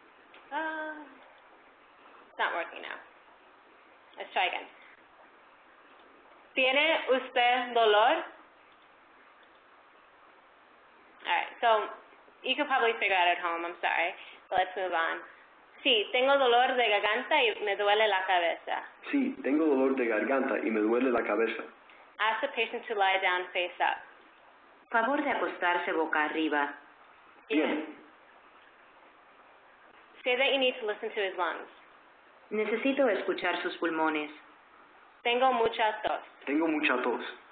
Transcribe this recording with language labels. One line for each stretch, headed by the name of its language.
English: It's not working now. Let's try again.
Spanish: ¿Tiene usted dolor?
English: All right, so you could probably figure out at home, I'm sorry, but let's move on.
Spanish: Sí, tengo dolor de garganta y me duele la cabeza. Sí, tengo dolor de garganta y me duele la cabeza.
English: Ask the patient to lie down face up.
Spanish: Favor de acostarse boca arriba. Bien.
English: Say that you need to listen to his lungs.
Spanish: Necesito escuchar sus pulmones. Tengo mucha tos. Tengo mucha tos.